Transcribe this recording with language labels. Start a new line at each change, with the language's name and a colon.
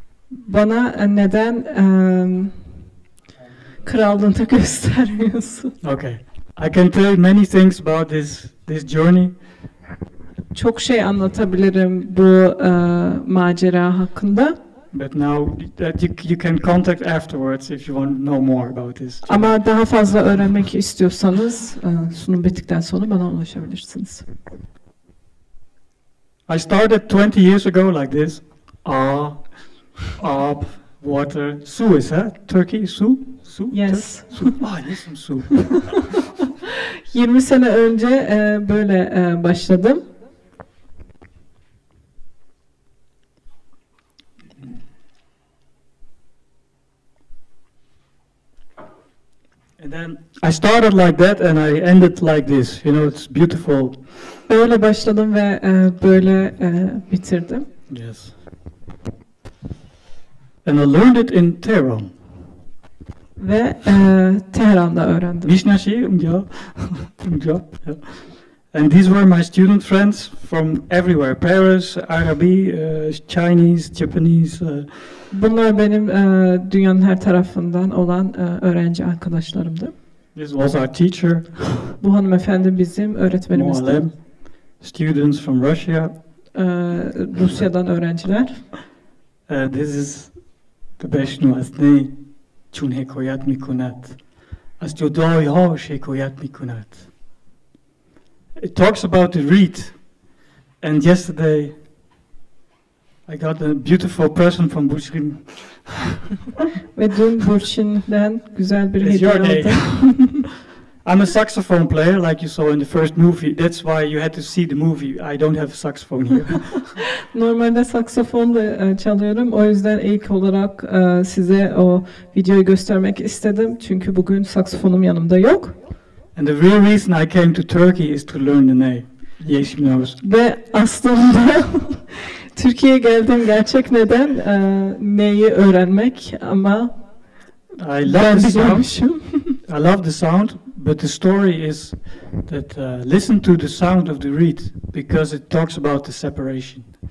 Turkish: Bana neden krallığını göstermiyorsun?
English: Okay. I can tell many things about this journey.
Turkish: Çok şey anlatabilirim bu macera hakkında.
English: But now that you can contact afterwards if you want to know more about this.
Turkish: Ama daha fazla öğrenmek istiyorsanız sunum bittikten sonra bana ulaşabilirsiniz.
English: I started 20 years ago like this. Up, water, su is that? Turkey, su? Su? Yes. Su. Ah, yes, su.
Turkish: 20 sene önce böyle başladım.
English: And then I started like that and I ended like this. You know, it's beautiful.
Turkish: Böyle başladım ve böyle bitirdim.
English: Yes. And I learned it in Tehran.
Turkish: Ve Tehran'da öğrendim. Mishna şehir, umca. Umca.
English: And these were my student friends from everywhere. Paris, Arabi, Chinese, Japanese.
Turkish: Bunlar benim dünyanın her tarafından olan öğrenci arkadaşlarımdı.
English: This was our teacher.
Turkish: Bu hanımefendi bizim öğretmenimizdi. Muallim.
English: Students from Russia.
Turkish: Rusya'dan öğrenciler.
English: This is the Beşnuasni.
Persian: چون حکایت میکند از جدایی ها شکایت میکند.
English: It talks about the reed. And yesterday I got a beautiful present from Burçin.
Turkish: Ve dün Burçin'den güzel bir hediye aldım.
English: I'm a saxophone player like you saw in the first movie. That's why you had to see the movie. I don't have a saxophone here.
Turkish: Normalde saksofon da çalıyorum. O yüzden ilk olarak size o videoyu göstermek istedim. Çünkü bugün saksofonum yanımda yok.
English: And the real reason I came to Turkey is to learn the name. Yes, she knows.
Turkish: Ve aslında Türkiye'ye geldiğim gerçek neden neyi öğrenmek ama
English: I love the sound. I love the sound, but the story is that listen to the sound of the reed because it talks about the separation.